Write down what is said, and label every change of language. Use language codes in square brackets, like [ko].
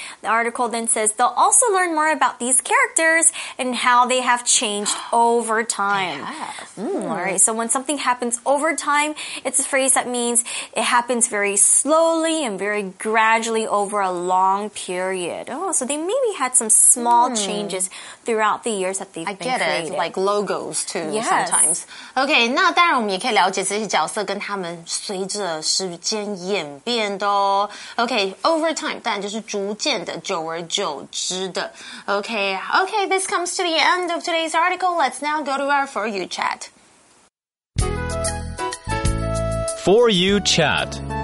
[en] The article then says, they'll also learn more about these characters and how they have changed over time. Alright, so when something happens over time, it's a phrase that means it happens very slowly and very gradually over a long period. Oh, so they maybe had some small changes throughout the years that they've been created. I get it, like logos too, sometimes. [zh] Okay, 那当然我们也可以了解这些角色跟他们随着时间演变的哦。 Okay, over time, 当然就是逐渐的久而久之的。 [en] Okay, this comes to the end of today's article. Let's now go to our For You Chat. For You Chat.